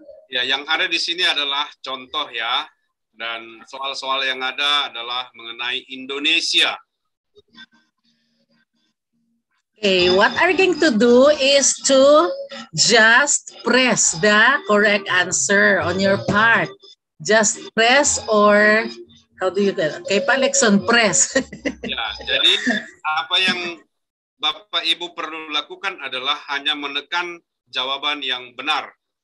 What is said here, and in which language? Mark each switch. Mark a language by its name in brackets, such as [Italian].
[Indonesian] Ya, yang ada di sini adalah contoh ya, dan soal-soal yang ada adalah mengenai Indonesia. [English] Okay, what are going to do is to just press the correct answer on your part. Just press or how do you do? Okay, Palexon, press. [Indonesian] Ya, jadi apa yang Bapak Ibu perlu lakukan adalah hanya menekan jawaban yang benar.